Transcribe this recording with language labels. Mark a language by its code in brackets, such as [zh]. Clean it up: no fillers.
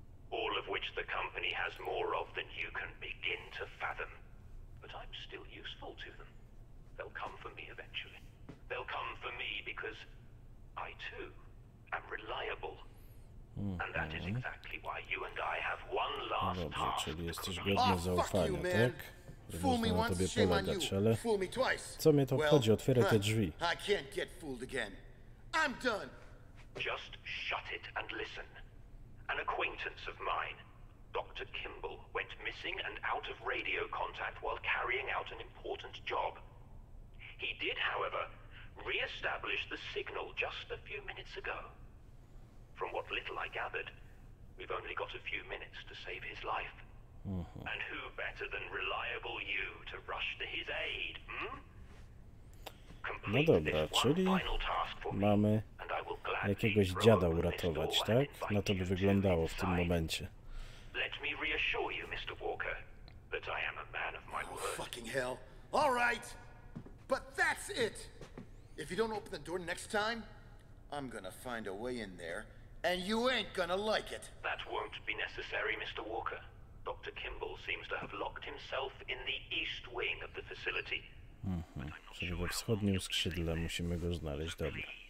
[en] All of which the company has more of than you can begin to fathom. But I'm still useful to them. They'll come for me eventually. They'll come for me because I too am reliable. Mm-hmm. And that is exactly why you and I have one last task. [pl] Czyli jesteś godny zaufania, tak? [en] Fool me once, shame on you. Fool me twice. [pl] Co mnie to obchodzi? Otwieraj te drzwi. [en] I can't get fooled again. I'm done. Just shut it and listen. An acquaintance of mine, Dr. Kimball, went missing and out of radio contact while carrying out an important job. He did, however, re-establish the signal just a few minutes ago. From what little I gathered, we've only got a few minutes to save his life. Mm-hmm. And who better than reliable you to rush to his aid, hmm? [pl] No dobra, czyli mamy jakiegoś dziada uratować, tak? Na to by wyglądało w tym momencie. [en] Let me reassure you, Mr. Walker, that I am a man of my word. Oh, fucking hell. All right. But that's it. If you don't open the door next time, I'm gonna find a way in there, and you ain't gonna like it. That won't be necessary, Mr. Walker. Dr. Kimball seems to have locked himself in the east wing of the facility. [pl] Czyli we wschodnim skrzydle musimy go znaleźć, dobrze.